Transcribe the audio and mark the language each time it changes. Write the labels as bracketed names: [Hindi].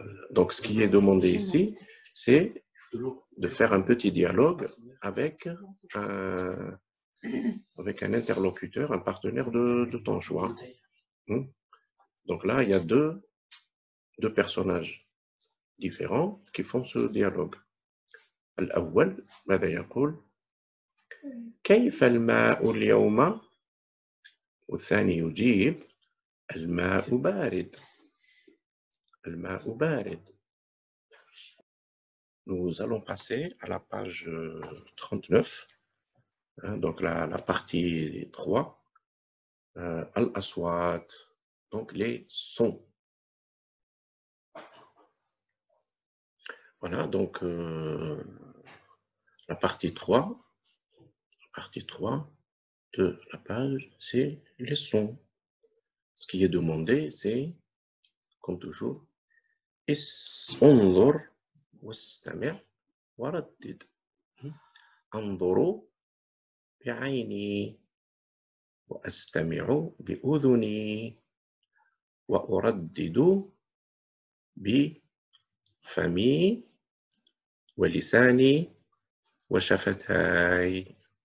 [French] Donc ce qui est demandé ici, c'est de faire un petit dialogue avec un interlocuteur, un partenaire de ton choix. Donc là, il y a deux personnages différents qui font ce dialogue. [Arabic] الأول ماذا يقول؟ كيف الماء اليوم؟ والثاني يجيب الماء بارد. الماء بارد. [French] Nous allons passer à la page 39, donc la partie 3, الأصوات, donc les sons. Voilà, donc la partie 3 de la page, c'est les sons. Ce qui est demandé, c'est, comme toujours, [Arabic] انظر واستمع وردد. انظر بعيني واستمع بأذني واردد بفمي ولساني وشفتاي.